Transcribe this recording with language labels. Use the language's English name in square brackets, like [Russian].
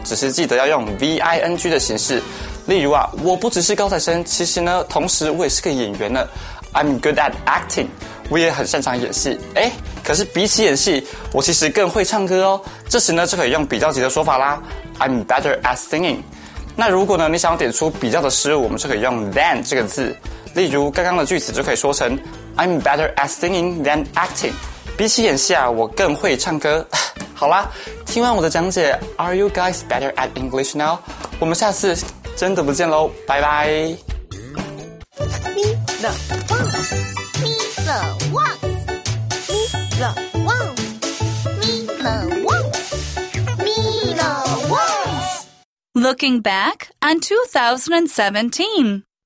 [Chinese] 只是记得要用 ving 的形式。例如啊，我不只是高材生，其实呢，同时我也是个演员呢。 [English] I'm good at acting。 [Chinese] 我也很擅长演戏。哎，可是比起演戏，我其实更会唱歌哦。这时呢，就可以用比较级的说法啦。 [English] I'm better at singing。 [Chinese] 那如果呢，你想要点出比较的失误，我们就可以用 than 这个字。例如刚刚的句子就可以说成 [English] I'm better at singing than acting。 [Chinese] 比起演戏啊，我更会唱歌。好啦，听完我的讲解 [English] ，Are you guys better at English now？ [Chinese] 我们下次真的不见喽，拜拜。 Me the wants, me the wants, me the wants, me the wants, me the wants. [English] Looking back on 2017.